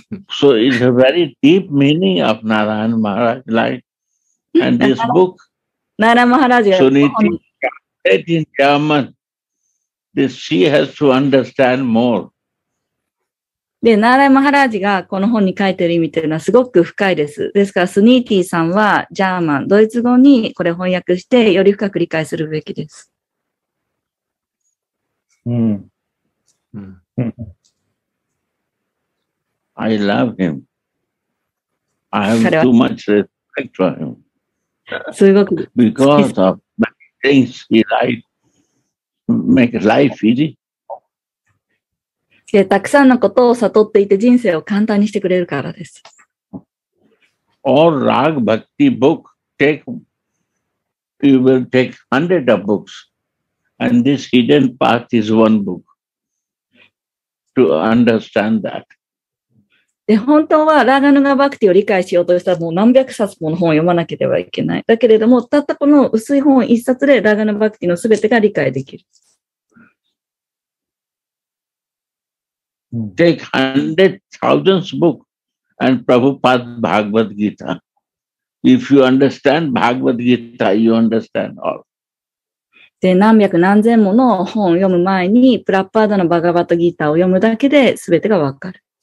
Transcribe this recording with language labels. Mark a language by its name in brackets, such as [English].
[English] So it's a very deep meaning of Narayan Maharaj, like, and this book, Suniti, translated in German, this she has to understand more. [Japanese] で、ナーライ・マハラージがこの本に書いている意味というのはすごく深いです。ですから、スニーティーさんはジャーマン、ドイツ語にこれ翻訳してより深く理解するべきです。 [English] うん。I love him. I have too much respect for him. [Japanese] すごく。 [English] Because of many things he like, make life easy. [Japanese] で、たくさんのことを悟っていて人生を簡単にしてくれるからです。 [English] All rag bhakti book take, you will take hundred of books, and this hidden path is one book to understand that. [Japanese] で、本当はラガヌガバクティを理解しようとしたらもう何百冊もの本を読まなければいけない。だけれども、たったこの薄い本一冊でラガヌガバクティのすべてが理解できる。 [English] Take hundred thousands book and Prabhupada Bhagavad Gita. If you understand Bhagavad Gita, you understand all. [Japanese] で、何百何千もの本を読む前にプラッパーダのバガバットギターを読むだけで全てがわかる。